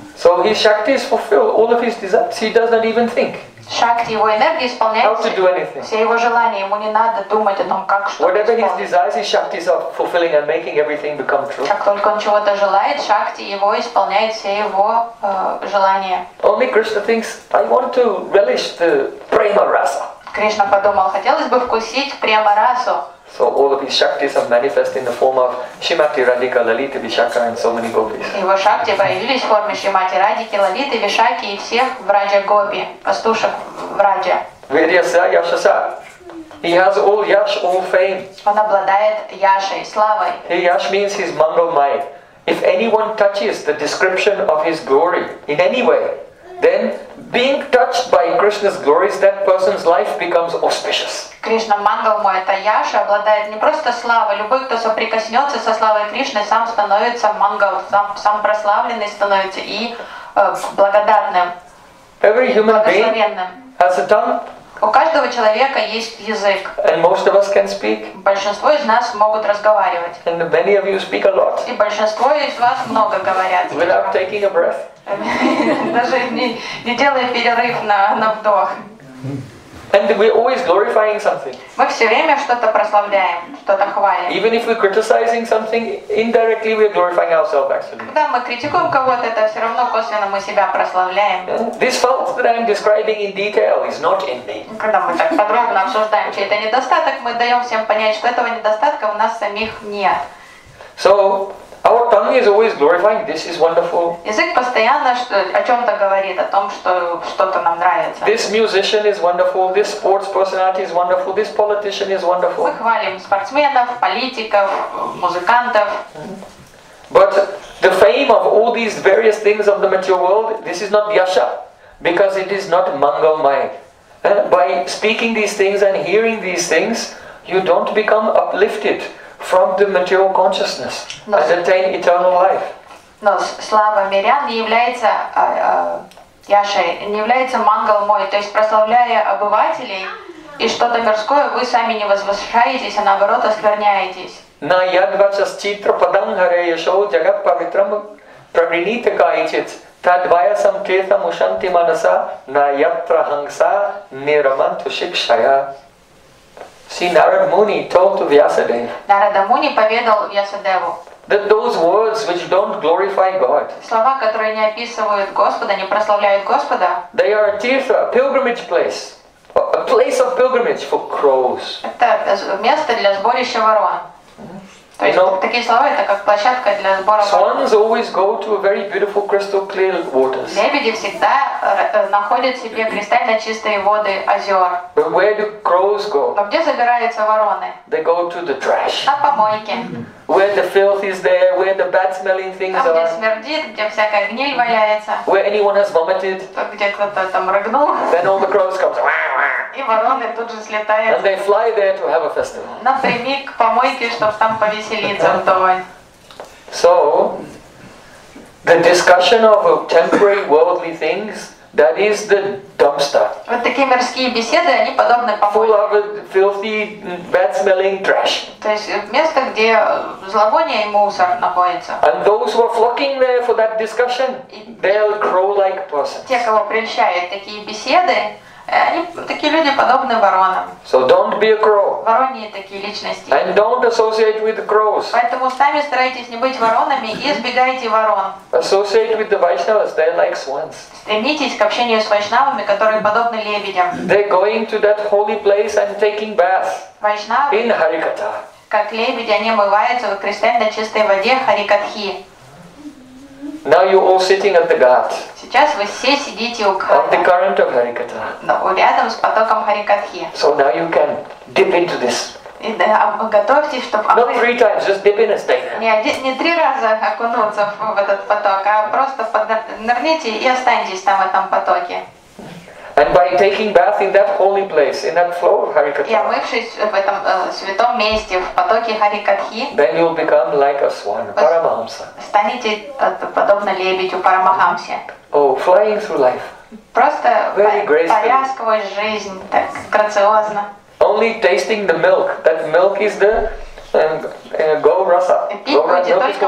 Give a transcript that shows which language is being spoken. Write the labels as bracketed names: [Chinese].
[English] So his shakti is fulfilled all of his desires. He does not even think. [Russian] Шакти, его энергия исполняет [English] how to do anything. [Russian] Все его желания. Ему не надо думать о том, как что-то исполнить. [English] Whatever his desires, his shakti is fulfilling and making everything become true. [Russian] Как только он чего-то желает, шакти его исполняет все его желания. [English] Only Krishna thinks, I want to relish the prema rasa. [Russian] Кришна подумал, хотелось бы вкусить према расу. [English] So all of his shaktis are manifest in the form of Shrimati Radhika, Lalita, Vishakha and so many gopis. [Russian] Его шакти появились в форме Шримати Радики, Лалиты, Вишакхи и всех враджа гопи, пастушек враджа. [Sanskrit] Вирьяся, яшаса. [English] He has all yash, all fame. [Russian] Он обладает яшей, славой. [English] He yash means his mangalmay. If anyone touches the description of his glory in any way, then being touched by Krishna's glories, that person's life becomes auspicious. [Russian] Кришна Мангалмой, это Яша, обладает не просто славой. Любой, кто соприкоснется со славой Кришны, сам становится Мангал, сам прославленный становится и благодарным. [English] Every human being has a tongue. [Russian] У каждого человека есть язык. [English] And most of us can speak. [Russian] Большинство из нас могут разговаривать. [English] And many of you speak a lot. [Russian] И большинство из вас много говорят. [English] Without taking a breath. [Russian] Даже не делая перерыв на вдох. [English] And we're always glorifying something. [Russian] Мы все время что-то прославляем, что-то хвалим. [English] Even if we're criticizing something, indirectly we're glorifying ourselves actually. [Russian] Когда мы критикуем кого-то, это все равно косвенно мы себя прославляем. [English] This fault that I'm describing in detail is not in me. [Russian] Когда мы так подробно обсуждаем чей-то недостаток, мы даем всем понять, что этого недостатка у нас самих нет. [English] So our tongue is always glorifying. This is wonderful. [Russian] Язык постоянно о чем-то говорит, о том, что что-то нам нравится. [English] This musician is wonderful. This sports personality is wonderful. This politician is wonderful. [Russian] Мы хвалим спортсменов, политиков, музыкантов. [English] But the fame of all these various things of the material world, this is not yasha, because it is not mangalmay. By speaking these things and hearing these things, you don't become uplifted from the material consciousness and attain eternal life. [Russian] Но слава мирян не является яшей, не является мангалмой. То есть прославляя обывателей и что-то мирское, вы сами не возвышаетесь, а наоборот оскверняетесь. [Sanskrit] На ядвачас читра падам харе яшо джагат павитрам правринита кайчит тадвая самтета мушанти манаса на ятра хангса нираманту шикшая. [English] See, Narada Muni told to Vyasadeva. [Russian] Narada Muni поведал Vyasadeva. [English] That those words which don't glorify God. [Russian] Слова, которые не описывают Господа, не прославляют Господа. [English] They are a tirtha, a pilgrimage place, a place of pilgrimage for crows. [Russian] Это место для сборища ворон. То есть, такие слова это как площадка для сбора воды. [English] Swans always go to a very beautiful crystal clear waters. [Russian] Лебеди всегда находят себе кристально чистые воды озер. [English] But where do crows go? [Russian] А где забираются вороны? [English] They go to the trash. [Russian] На помойке. [English] Where the filth is there, where the bad smelling things [Russian] там, [English] are. [Russian] Там, где смердит, где всякая гниль валяется. [English] Where anyone has vomited. [Russian] Там, где кто-то там рыгнул. [English] Then all the crows come. [Russian] И вороны тут же слетают. [English] And they fly there to have a festival. [Russian] Напрямик к помойке, чтобы там повеселиться вдоволь. [English] So, the discussion of temporary worldly things, that is the dumpster. [Russian] Вот такие мирские беседы, они подобны помойке. [English] Full of filthy, bad-smelling trash. [Russian] То есть место, где зловоние и мусор находится. [English] And those who are flocking there for that discussion, they're crow-like persons. [Russian] Те, кого прельщают такие беседы, они такие люди подобны воронам. [English] So don't be a crow. [Russian] Вороньи такие личности. [English] And don't associate with crows. [Russian] Поэтому сами старайтесь не быть воронами и избегайте ворон. [English] Associate with the Vaishnavas, they're like swans. [Russian] Стремитесь к общению с вайшнавами, которые подобны лебедям. [English] They're going to that holy place and taking bath. [Russian] Вайшнавы. [English] In Харикатха. [Russian] Как лебеди, они омываются в кристально чистой воде Харикатхи. [English] Now you're all sitting at the ghat. [Russian] Сейчас вы все сидите у [English] ghat. At the current of Харикатха. [Russian] Но рядом с потоком Харикатхи. [English] So now you can dip into this. [Russian] И да, готовьтесь, чтобы. [English] Not three times, just dip in and stay there. [Russian] Не три раза окунуться в этот поток, а просто нырните и останьтесь там в этом потоке. [English] And by taking bath in that holy place, in that flow of Харикатха. [Russian] И омывшись в этом святом месте, в потоке Харикатхи. [English] Then you'll become like a swan, Парамахамса. [Russian] Станете подобно лебедю Парамахамсе. [English] Oh, flying through life. [Russian] Просто [English] very gracefully. [Russian] Паря сквозь жизнь, так грациозно. [English] Only tasting the milk. That milk is the Gaurasa.